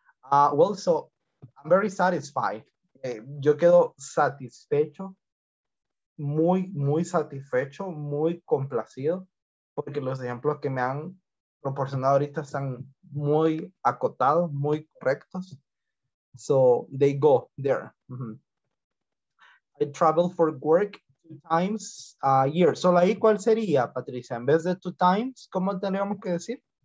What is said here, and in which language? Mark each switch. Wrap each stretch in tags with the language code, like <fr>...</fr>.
<en>Well, so, I'm very satisfied.</en> <es>Yo quedo satisfecho, muy, muy satisfecho, muy complacido, porque los ejemplos que me han proporcionado ahorita están muy acotados, muy correctos.</es> <en>So, they go there. Mm-hmm. I travel for work two times a year.</en> <es>Solo ahí, ¿cuál sería,</es> <en>Patricia?</en> <es>En vez de</es> <en>two times,</en> <es>¿cómo tendríamos que decir?</es>